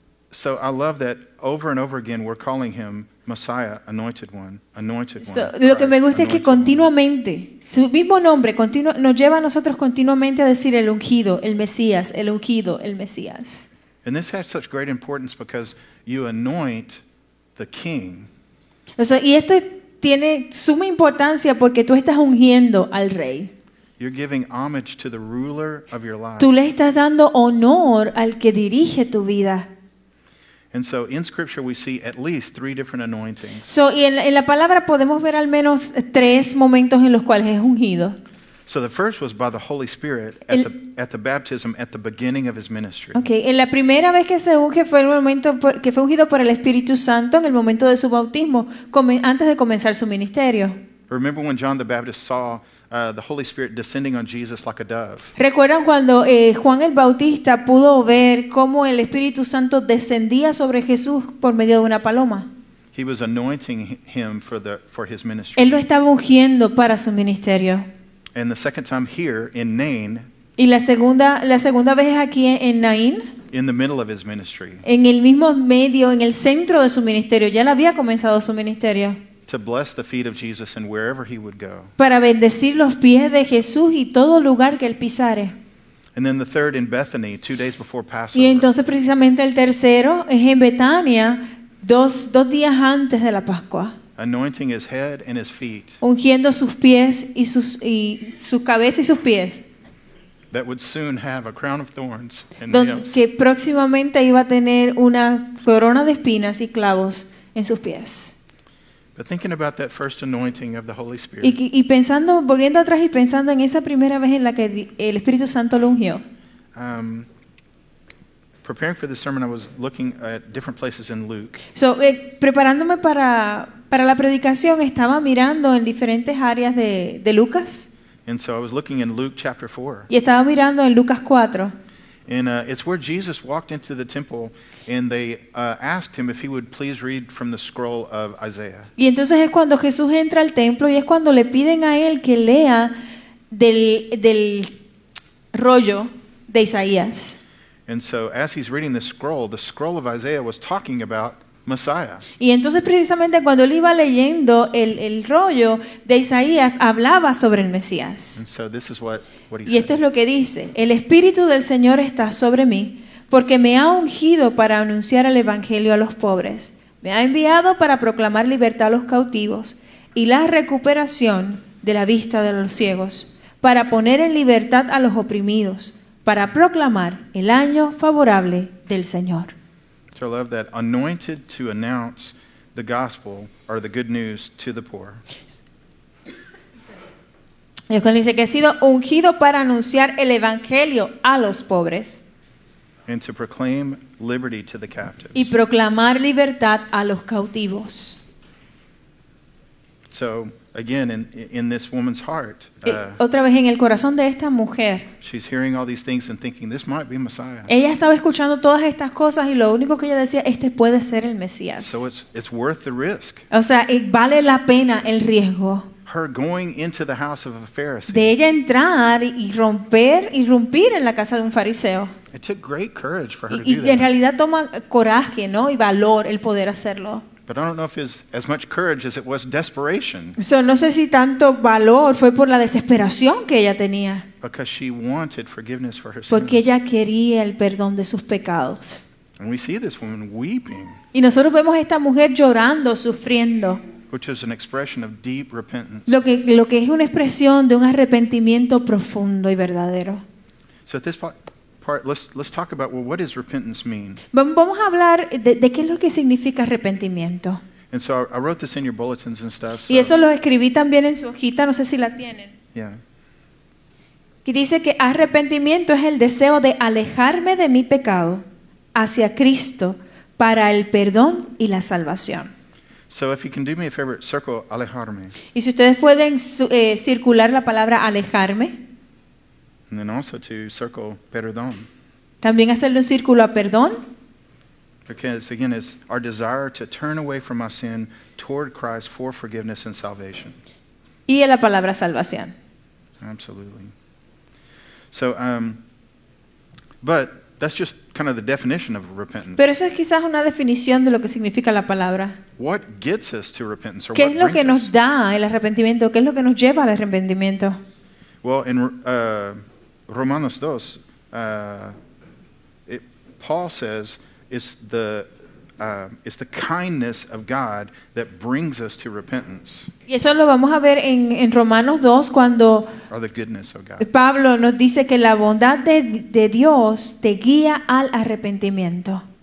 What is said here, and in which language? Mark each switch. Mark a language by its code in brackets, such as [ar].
[en] So I love that over and over again we're calling him Messiah, anointed one, anointed so, one. [es] Christ, lo que me gusta es que continuamente, [en] one. [es] Su mismo nombre nos lleva a nosotros continuamente a decir el ungido, el Mesías, el ungido, el Mesías. [en] And this has such great importance because you anoint the king. [es] O sea, y esto tiene suma importancia porque tú estás ungiendo al rey. [en] You're giving homage to the ruler of your life. [es] Tú le estás dando honor al que dirige tu vida. [en] And so in scripture we see at least three different anointings. [es] So, y en la palabra podemos ver al menos tres momentos en los cuales es ungido. [en] So the first was by the Holy Spirit at the baptism at the beginning of his ministry. [es] Okay, en la primera vez que se unge fue el momento que fue ungido por el Espíritu Santo en el momento de su bautismo, antes de comenzar su ministerio. [en] Remember when John the Baptist saw the Holy Spirit descending on Jesus like a dove? [es] ¿Recuerdan cuando Juan el Bautista pudo ver cómo el Espíritu Santo descendía sobre Jesús por medio de una paloma? [en] He was anointing him for his ministry. [es] Él lo estaba ungiendo para su ministerio. [en] And the second time here in Nain. [es] Y la segunda vez es aquí en Nain. [en] In the middle of his ministry. [es] En el mismo medio, en el centro de su ministerio. Ya él había comenzado su ministerio. [en] to bless the feet of Jesus and wherever he would go. [es] Para bendecir los pies de Jesús y todo lugar que él pisare. [en] And then the third in Bethany, 2 days before Passover. [es] Y entonces precisamente el tercero es en Betania, dos días antes de la Pascua. [en] Anointing his head and his feet. [es] Ungiendo sus pies y su cabeza y sus pies. [en] That would soon have a crown of thorns and nails. [es] Que próximamente iba a tener una corona de espinas y clavos en sus pies. [en] But thinking about that first anointing of the Holy Spirit. [es] Y pensando, volviendo atrás y pensando en esa primera vez en la que el Espíritu Santo lo ungió. [en] Preparing for the sermon, I was looking at different places in Luke. [es] So, preparándome para la predicación, estaba mirando en diferentes áreas de Lucas. [en] And so I was looking in Luke chapter 4. [es] Y estaba mirando en Lucas 4. [en] And it's where Jesus walked into the temple and they asked him if he would please read from the scroll of Isaiah. [es] Y entonces es cuando Jesús entra al templo y es cuando le piden a él que lea del rollo de Isaías. [en] And so as he's reading the scroll of Isaiah was talking about Messiah. [es] Y entonces precisamente cuando él iba leyendo el rollo de Isaías hablaba sobre el Mesías. [en] And so this is what he [es] y esto es lo que dice: el Espíritu del Señor está sobre mí porque me ha ungido para anunciar el Evangelio a los pobres, me ha enviado para proclamar libertad a los cautivos y la recuperación de la vista de los ciegos, para poner en libertad a los oprimidos, para proclamar el año favorable del Señor. [en] So I love that anointed to announce the gospel or the good news to the poor. [es] Es cuando dice que ha sido ungido para anunciar el evangelio a los pobres. [en] And to proclaim liberty to the captives. [es] Y proclamar libertad a los cautivos. [en] So again, in this woman's heart. [es] Otra vez en el corazón de esta mujer. [en] She's hearing all these things and thinking this might be Messiah. [es] Ella estaba escuchando todas estas cosas y lo único que ella decía, este puede ser el Mesías. [en] So it's worth the risk. [es] O sea, vale la pena el riesgo. [en] Her going into the house of a Pharisee. [es] De ella entrar y irrumpir en la casa de un fariseo. [en] It took great courage for her to do that. [es] Y en realidad toma coraje, ¿no? Y valor el poder hacerlo. [en] But I don't know if it's as much courage as it was desperation. [es] So no sé si tanto valor fue por la desesperación que ella tenía. [en] Because she wanted forgiveness for her sins. [es] Porque ella quería el perdón de sus pecados. [en] And we see this woman weeping. [es] Y nosotros vemos a esta mujer llorando, sufriendo. [en] Which is an expression of deep repentance. [es] Lo que es una expresión de un arrepentimiento profundo y verdadero. [en] So at this part, let's talk about, well, what does repentance mean? [es] Vamos a hablar de qué es lo que significa arrepentimiento. [en] And so I wrote this in your bulletins and stuff. So. [es] Y eso lo escribí también en su hojita, no sé si la tienen. [en] Yeah. [es] Que dice que arrepentimiento es el deseo de alejarme de mi pecado hacia Cristo para el perdón y la salvación. [en] So if you can do me a favor, circle alejarme. [es] Y si ustedes pueden circular la palabra alejarme. [en] And then also to circle perdón. [es] También hacerle un círculo a perdón. [en] Because again, it's our desire to turn away from our sin toward Christ for forgiveness and salvation. [es] Y en la palabra salvación. [en] Absolutely. So, but that's just kind of the definition of repentance. [es] Pero eso es quizás una definición de lo que significa la palabra. [en] What gets us to repentance, or [es] ¿qué [en] what [es] es lo que nos [en] us? [es] Da el arrepentimiento? ¿Qué es lo que nos lleva al arrepentimiento? [en] Well, in Romanos 2, Paul says it's the kindness of God that brings us to repentance. [es] Y eso lo vamos a ver en Romanos 2 cuando [en] the goodness of God. [es] Pablo nos dice que la bondad de Dios te guía al arrepentimiento.